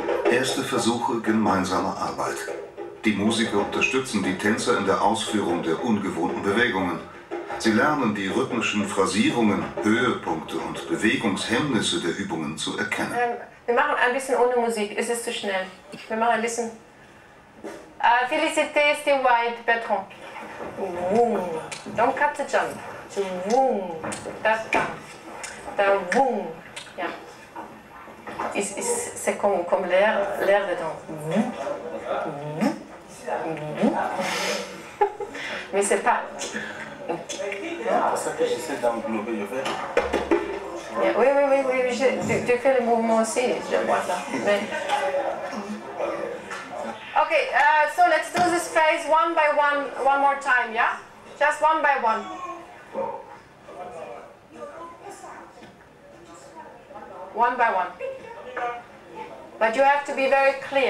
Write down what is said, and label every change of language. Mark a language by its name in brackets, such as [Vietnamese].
[German] Erste Versuche gemeinsamer Arbeit. Die Musiker unterstützen die Tänzer in der Ausführung der ungewohnten Bewegungen. Sie lernen die rhythmischen Phrasierungen, Höhepunkte und Bewegungshemmnisse der Übungen zu erkennen. Wir machen ein bisschen ohne Musik, es ist zu schnell. Wir machen ein bisschen... [French] Félicité, c'est white, Patron. [English] Wum. Don't cut the jump. Wum. [French] Da wum. Ja. C'est comme l'air dedans. Mais c'est pas. Oui, oui, oui, oui. Tu fais le mouvement aussi, je vois ça. Mais... [English] Ok, so let's do this phase one by one, one more time, yeah? Just one by one. One by one. But you have to be very clear.